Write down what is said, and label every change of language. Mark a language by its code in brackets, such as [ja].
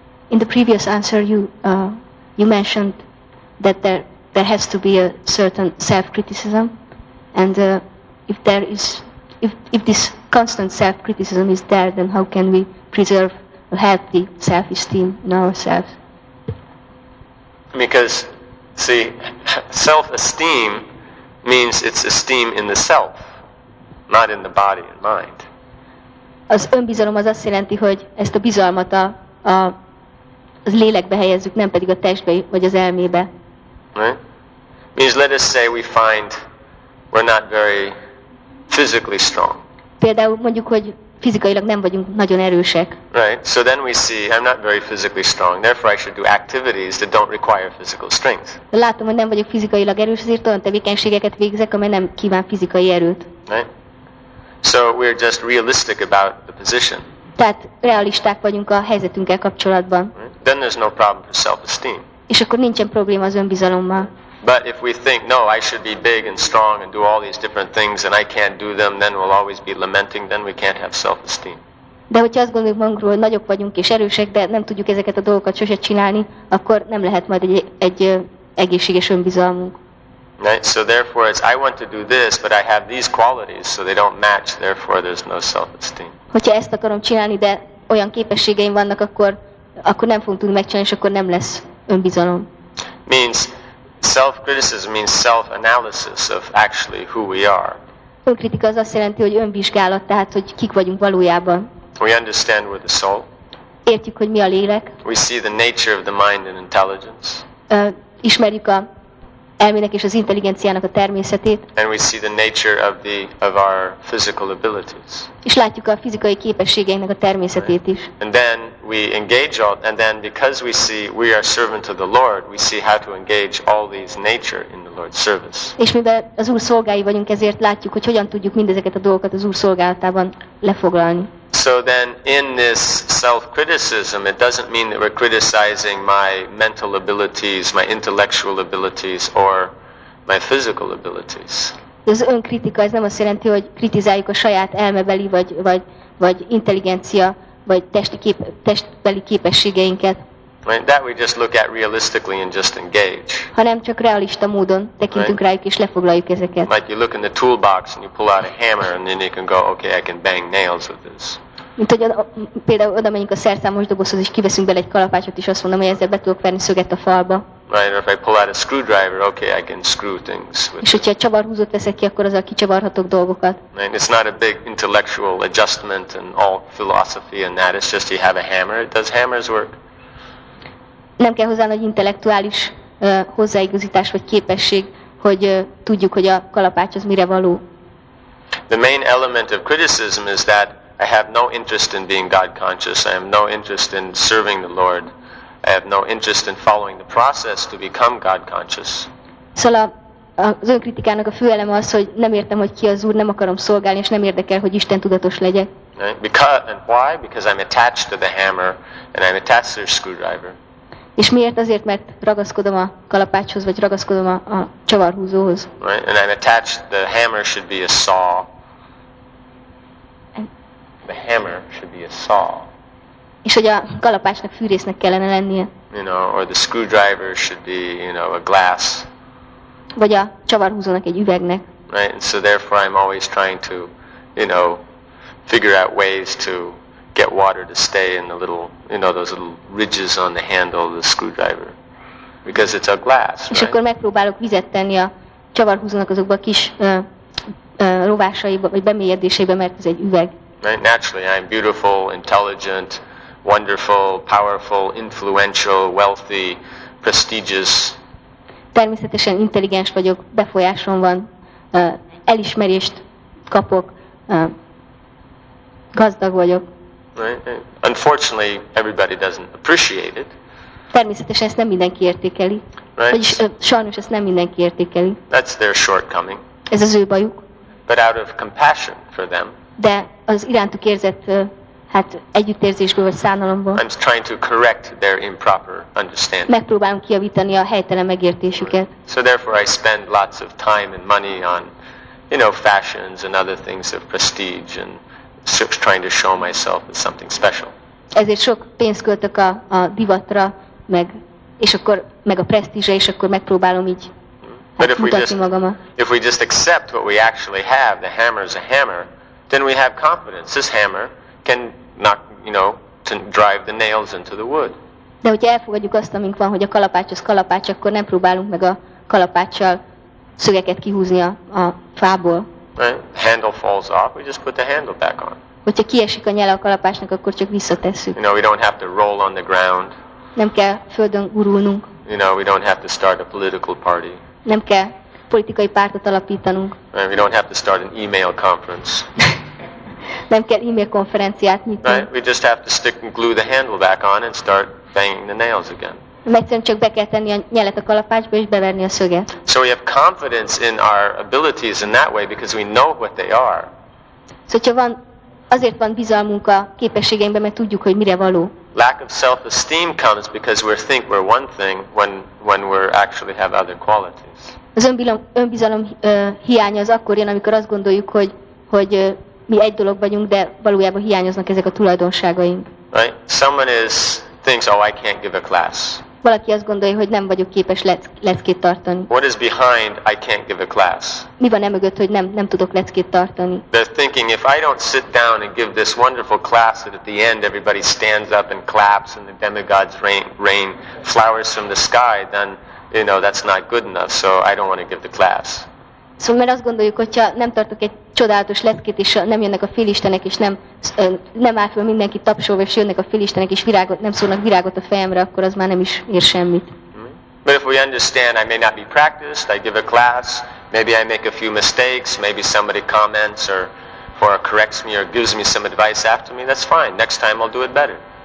[en] In the previous answer, you mentioned that there has to be a certain self-criticism, and if this constant self-criticism is there, then how can we preserve a healthy self-esteem in ourselves? Because, see, self-esteem means it's esteem in the self, not in the body and mind. [hu] Az önbizalom az azt jelenti, hogy ezt a bizalmat az lélekbe helyezzük, nem pedig a testbe vagy az elmébe. [en] Right? Means let us say we find we're not very physically strong. [hu] Például mondjuk, hogy fizikailag nem vagyunk nagyon erősek. [en] Right. So then we see I'm not very physically strong. Therefore I should do activities that don't require physical strength. [hu] Látom, hogy nem vagyok fizikailag erős, ezért olyan tevékenységeket végzek, amely nem kíván fizikai erőt. [en] Right. So we're just realistic about the position. [hu] Tehát realisták vagyunk a helyzetünkkel kapcsolatban. [en] Then there's no problem with self-esteem. [hu] És akkor nincsen probléma az önbizalommal. [en] But if we think, no, I should be big and strong and do all these different things and I can't do them, then we'll always be lamenting, then we can't have self-esteem. [hu] De hogyha azt gondoljuk magunkról, hogy nagyok vagyunk és erősek, de nem tudjuk ezeket a dolgokat sose csinálni, akkor nem lehet majd egy egészséges önbizalmunk. [en] Right? So therefore it's I want to do this, but I have these qualities, so they don't match, therefore there's no self-esteem. [hu] Hogyha ezt akarom csinálni, de olyan képességeim vannak, akkor nem fogunk tudni megcsinálni, és akkor nem lesz önbizalom. [en] Means self-criticism means self-analysis of actually who we are. [hu] Önkritika az azt jelenti, hogy önvizsgálat, tehát hogy kik vagyunk valójában. [en] We understand we're the soul. [hu] Értjük, hogy mi a lélek. [en] We see the nature of the mind and intelligence. [hu] Ismerjük a elmének és az intelligenciának a természetét. [en] And we see the nature of our physical abilities. [hu] És látjuk a fizikai képességeinknek a természetét is. [en] And then we engage all, and then because we see we are servant to the Lord, we see how to engage all these nature in the Lord's service. [hu] És mivel az Úr szolgái vagyunk, ezért látjuk, hogy hogyan tudjuk mindezeket a dolgokat az Úr szolgálatában lefoglalni. [en] So then in this self-criticism, it doesn't mean that we're criticizing my mental abilities, my intellectual abilities, or my physical abilities. [hu] Az önkritika, ez nem azt jelenti, hogy kritizáljuk a saját elmebeli, vagy intelligencia, vagy testbeli képességeinket. [en] Right, that we just look at realistically and just engage. [hu] Hanem csak realista módon tekintünk right? rájuk és lefoglaljuk ezeket. [en] Like you look in the toolbox and you pull out a hammer and then you can go, okay, I can bang nails with this. [hu] Mint hogy például oda megyünk a szerszámos dobozhoz, és kiveszünk bele egy kalapácsot, és azt mondom, hogy ezzel be tudok verni szöget a falba. [en] Right, if I pull out a screwdriver, okay, I can screw things with. [hu] És hogyha csavarhúzót veszek ki, akkor azzal kicsavarhatok dolgokat. [en] Right, it's not a big intellectual adjustment and all philosophy and that. It's just you have a hammer. Does hammers work? [hu] Nem kell hozzá nagy intellektuális hozzáigazítás vagy képesség, hogy tudjuk, hogy a kalapács az mire való. [en] The main element of criticism is that I have no interest in being God conscious. I have no interest in serving the Lord. I have no interest in following the process to become God conscious. [hu] Szóval az önkritikának a fő eleme az, hogy nem értem, hogy ki az Úr, nem akarom szolgálni, és nem érdekel, hogy Isten tudatos legyek. [en] Because, and why? Because I'm attached to the hammer and I'm attached to the screwdriver. [hu] És miért? Azért, mert ragaszkodom a kalapácshoz, vagy ragaszkodom a csavarhúzóhoz. [en] Right? And I'm attached, the hammer should be a saw. The hammer should be a saw. [hu] És hogy a kalapácsnak fűrésznek kellene lennie. [en] You know, or the screwdriver should be, you know, a glass. [hu] Vagy a csavarhúzónak egy üvegnek. [en] Right? And so therefore I'm always trying to, you know, figure out ways to get water to stay in the little, you know, those little ridges on the handle of the screwdriver, because it's a glass. [hu] És akkor megpróbálok vizet tenni a csavarhúzónak azokba a kis rovásaiba vagy bemélyedéseibe, mert ez egy üveg. [en] Right? Naturally, I'm beautiful, intelligent, wonderful, powerful, influential, wealthy, prestigious. [hu] Természetesen intelligens vagyok, befolyásom van, elismerést kapok, gazdag vagyok. [en] Right. Unfortunately, everybody doesn't appreciate it. [hu] Természetesen ezt nem mindenki értékeli. [en] Right. [hu] Vagyis sajnos ezt nem mindenki értékeli. [en] That's their shortcoming. [hu] Ez az ő bajuk. [en] But out of compassion for them. [hu] De az irántuk érzett hát együttérzésből vagy szánalomból. [en] I'm trying to correct their improper understanding. [hu] Megpróbálom kijavítani a helytelen megértésüket. [en] Right. So therefore, I spend lots of time and money on, you know, fashions and other things of prestige and trying to show myself as something special. [hu] Ezért sok pénzt költök a divatra, meg és akkor meg a presztízsre, és akkor megpróbálom így mutatni magamat. [en] If we just accept what we actually have, the hammer is a hammer, then we have confidence. This hammer can knock, you know, to drive the nails into the wood. [hu] De hogyha elfogadjuk azt, amink van, hogy a kalapács az kalapács, akkor nem próbálunk meg a kalapáccsal szögeket kihúzni a fából. [en] Right. Handle falls off, we just put the handle back on. [hu] Hogyha kiesik a nyele a kalapácsnak, akkor csak visszatesszük. [en] You know, we don't have to roll on the ground. [hu] Nem kell földön gurulnunk. [en] You know, we don't have to start a political party. [hu] Nem kell politikai pártot alapítanunk. [en] Right. We don't have to start an email conference. [hu] Nem kell e-mail konferenciát nyitni. [en] Right. We just have to stick and glue the handle back on and start banging the nails again. [hu] Megszerint csak be kell tenni a nyelet a kalapácsba és beverni a szöget. [en] So we have confidence in our abilities in that way because we know what they are. [hu] Szóval van, azért van bizalmunk a képességeinkben, mert tudjuk, hogy mire való. [en] Lack of self-esteem comes because we think we're one thing when we actually have other qualities. [hu] Az önbizalom hiánya az akkor jön, amikor azt gondoljuk, hogy mi egy dolog vagyunk, de valójában hiányoznak ezek a tulajdonságaink. [en] Right? Someone is thinks, oh, I can't give a class. [hu] Valaki azt gondolja, hogy nem vagyok képes leckét tartani. [en] What is behind I can't give a class? [hu] Mi van emögött, hogy nem tudok leckét tartani? [en] They're thinking, if I don't sit down and give this wonderful class that at the end everybody stands up and claps and the demigods rain flowers from the sky, then, you know, that's not good enough, so I don't want to give the class. [hu] Szóval mert azt gondoljuk, hogyha nem tartok egy csodálatos leckét, és nem jönnek a félistenek, és nem áll fel mindenki tapsolva, és jönnek a félistenek, és virágot, nem szólnak virágot a fejemre, akkor az már nem is ér semmit. [en] But if we understand, I may not be practiced, I give a class, maybe I make a few mistakes, maybe somebody comments or corrects me or gives me some advice after me, that's fine, next time I'll do it better.